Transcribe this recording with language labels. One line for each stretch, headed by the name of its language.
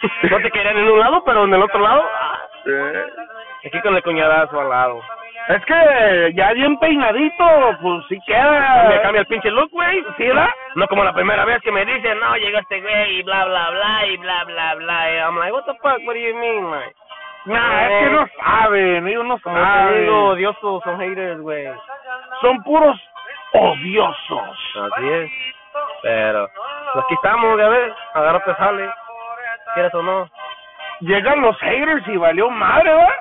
Spanish: No te querían en un lado, pero en el otro lado. Sí. Aquí con el cuñadazo al lado. Es que ya bien peinadito, pues sí queda. Me cambia el pinche look, güey. ¿Sí, verdad? No como la primera vez que me dicen, no, llegaste, güey, y bla, bla, bla, y bla, bla, bla.
English: Y I'm like, what the fuck, what do you mean, man?
Spanish: Nah, es que no saben, ellos no saben. Ah, digo, odiosos, son haters, güey. Son puros odiosos. Así es. Pero, pues aquí estamos, ya ves, agárrate, sale. ¿Quieres o no? Llegan los haters y valió madre, ¿verdad?